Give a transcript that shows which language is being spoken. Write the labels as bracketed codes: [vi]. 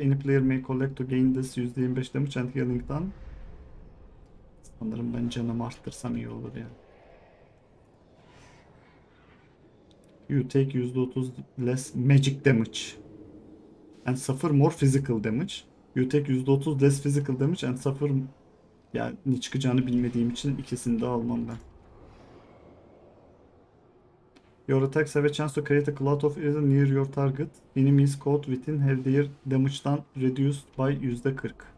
[en] Any player may collect to gain this %25 damage and healing done. [tr] Sanırım ben canımı arttırsam iyi olur yani. [en] You take %30 less magic damage and suffer more physical damage. You take %30 less physical damage and suffer. [tr] Yani ne çıkacağını bilmediğim için ikisini de almam ben. [en] Your attacks have a chance to create a cloud of ether near your target. Enemies caught within have their damage done reduced by %40.